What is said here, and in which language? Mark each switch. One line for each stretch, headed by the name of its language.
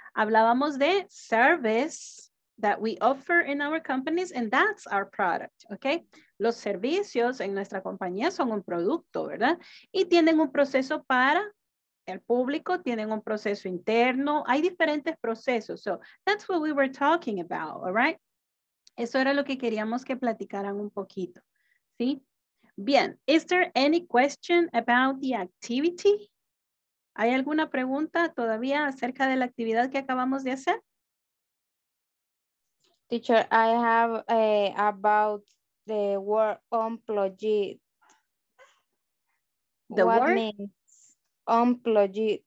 Spanish: Hablábamos de
English: service that we offer in our companies, and that's our product, okay?
Spanish: Los servicios en nuestra compañía son un producto, ¿verdad? Y tienen un proceso para el público, tienen un proceso interno, hay diferentes procesos.
English: So that's what we were talking about, all right?
Spanish: Eso era lo que queríamos que platicaran un poquito, ¿sí? Bien,
English: is there any question about the activity?
Spanish: ¿Hay alguna pregunta todavía acerca de la actividad que acabamos de hacer?
English: Teacher, I have about the word employee. The what word? Means employee?